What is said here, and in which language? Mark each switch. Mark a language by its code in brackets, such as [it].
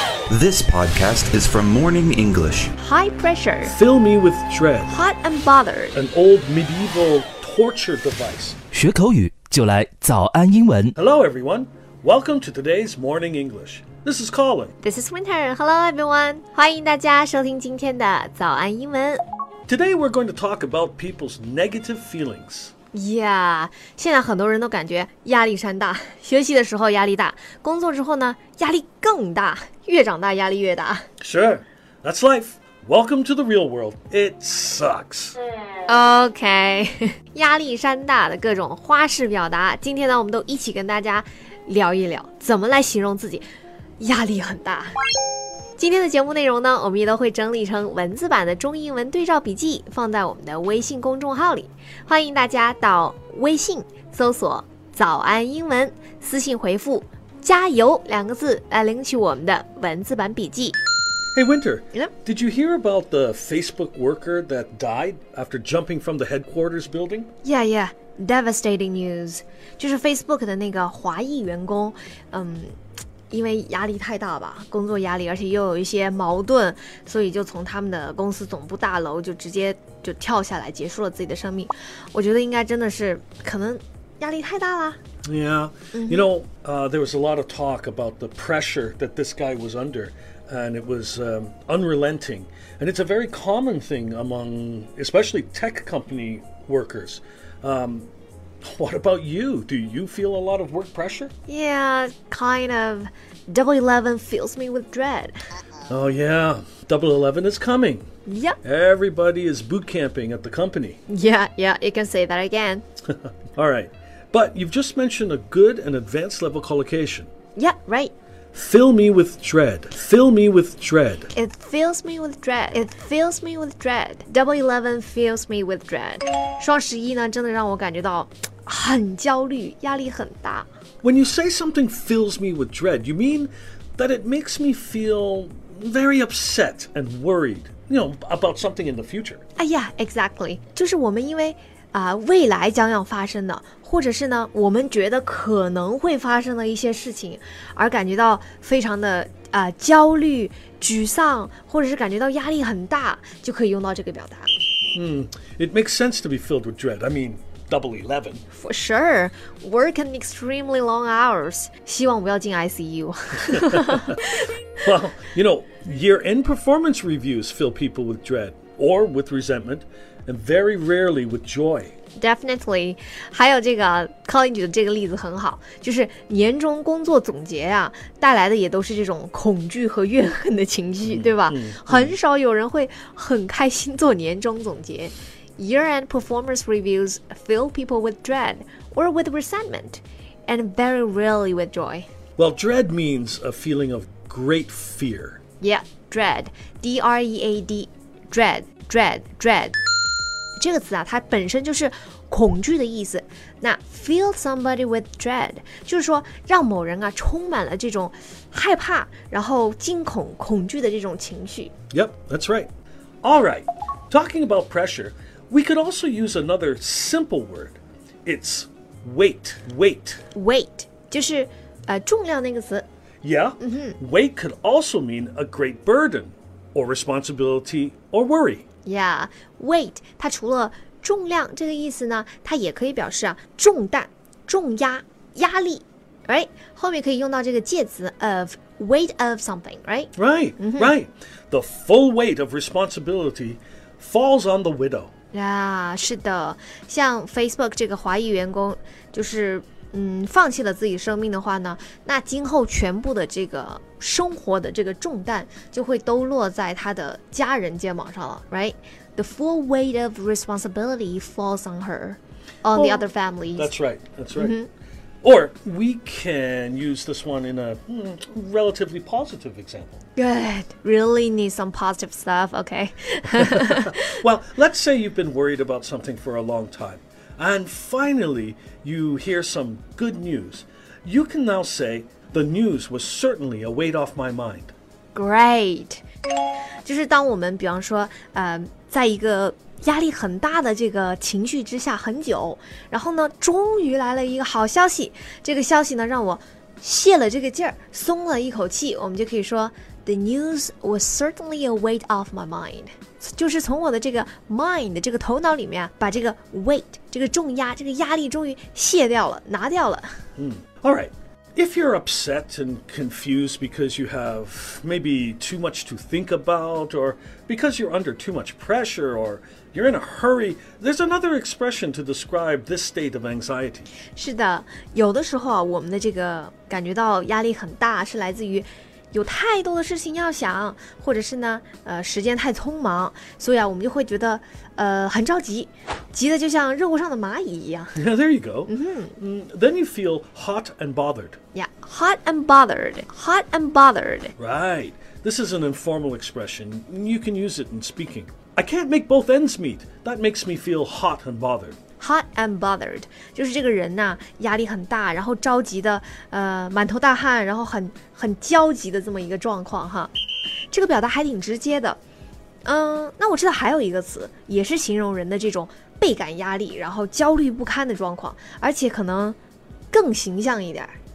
[en] This podcast is from Morning English. High pressure. Fill me with dread. Hot and bothered. An old medieval torture device. [zh] 学口语就来早安英文。 [en] Hello everyone. Welcome to today's Morning English. This is Colin. This is Winter. Hello everyone. [zh] 欢迎大家收听今天的早安英文。 [en] Today we're going to talk about people's negative feelings. [zh] Yeah, 现在很多人都感觉压力山大，学习的时候压力大，工作之后呢，压力更大，越长大压力越大。 [en] Sure, that's life. Welcome to the real world. It sucks. [zh] Okay, 压力山大的各种花式表达，今天呢，我们都一起跟大家聊一聊，怎么来形容自己压力很大。今天的节目内容呢，我们也都会整理成文字版的中英文对照笔记，放在我们的微信公众号里。欢迎大家到微信搜索早安英文，私信回复加油两个字来领取我们的文字版笔记。 [en] Hey Winter, did you hear about the Facebook worker that died after jumping from the headquarters building? Yeah, yeah, devastating news. [zh] 就是 Facebook 的那个华裔员工，因为压力太大吧，工作压力，而且又有一些矛盾，所以就从他们的公司总部大楼就直接就跳下来，结束了自己的生命。我觉得应该真的是可能压力太大了。 [en] Yeah,、mm-hmm. you know,、there was a lot of talk about the pressure that this guy was under, and it was、unrelenting. And it's a very common thing among, especially tech company workers.、What about you? Do you feel a lot of work pressure? Yeah, kind of. Double 11 fills me with dread. Oh yeah, Double 11 is coming. Yep. Everybody is boot camping at the company. Yeah, yeah, you can say that again. All right. But you've just mentioned a good and advanced level collocation. Yeah, right. Fill me with dread. Fill me with dread. It fills me with dread. It fills me with dread. Double 11 fills me with dread. [zh] 双十一呢，真的让我感觉到很焦虑，压力很大。 [en] When you say something fills me with dread, you mean that it makes me feel very upset and worried, you know, about something in the future. Yeah, exactly. [zh] 就是我们因为未来将要发生的，或者是呢，我们觉得可能会发生的一些事情，而感觉到非常的焦虑、沮丧，或者是感觉到压力很大，就可以用到这个表达。 [en] It makes sense to be filled with dread. I mean, double 11. For sure. Work an extremely long hours. [zh] 希望不要进 ICU. [en] Well, you know, year-end performance reviews fill people with dread or with resentment. And very rarely with joy. Definitely. [zh] 还有这个 Colin 举的这个例子很好，就是年终工作总结啊，带来的也都是这种恐惧和怨恨的情绪，对吧？很少有人会很开心做年终总结。 [en] Year-end performance reviews fill people with dread or with resentment, and very rarely with joy. Well, dread means a feeling of great fear. Yeah, dread. D-R-E-A-D. Dread, dread, dread. [zh] 这个词啊，它本身就是恐惧的意思。那 [en] fill somebody with dread [zh] 就是说让某人啊充满了这种害怕，然后惊恐、恐惧的这种情绪。 [en] Yep, that's right. All right, talking about pressure, we could also use another simple word. It's weight, weight. [zh] Weight 就是重量那个词。 [en] Yeah,、mm-hmm. weight could also mean a great burden, or responsibility, or worry. [zh] Yeah, weight, 它除了重量这个意思呢，它也可以表示、重担、重压、压力 right? 后面可以用到这个介词 of [en] weight of something, [zh] right? [en] Right,、mm-hmm. right. The full weight of responsibility falls on the widow. [zh] Yeah, 是的。像 Facebook 这个华裔员工就是、放弃了自己生命的话呢，那今后全部的这个生活的这个重担就会都落在他的家人肩膀上了 right? [en] The full weight of responsibility falls on her, on the other families. That's right, that's right.、Mm-hmm. Or we can use this one in a relatively positive example. Good, really need some positive stuff, okay. Well, let's say you've been worried about something for a long time, and finally you hear some good news. You can now say,The news was certainly a weight off my mind. Great. [zh] 就是当我们比方说、在一个压力很大的这个情绪之下很久，然后呢终于来了一个好消息，这个消息呢让我泄了这个劲儿，松了一口气，我们就可以说 [en] The news was certainly a weight off my mind， [zh] 就是从我的这个 mind 这个头脑里面、啊、把这个 weight 这个重压这个压力终于卸掉了拿掉了、 mm. [en] All right, if you're upset and confused because you have maybe too much to think about or because you're under too much pressure orYou're in a hurry. There's another expression to describe this state of anxiety. [zh] 是的，有的时候啊，我们的这个感觉到压力很大，是来自于有太多的事情要想，或者是呢，时间太匆忙，所以啊，我们就会觉得很着急，急得就像热锅上的蚂蚁一样。 [en] Yeah, there you go. Then you feel hot and bothered. Yeah, hot and bothered. Hot and bothered. Right. This is an informal expression. You can use it in speaking. I can't make both ends meet. That makes me feel hot and bothered. Hot and bothered. [zh] 就是这个人呢、啊、压力很大然后着急的满头大汗然后很焦急的这么一个状况哈。这个表达还挺直接的。那我知道还有一个词也是形容人的这种倍感压力然后焦虑不堪的状况而且可能更形象一点。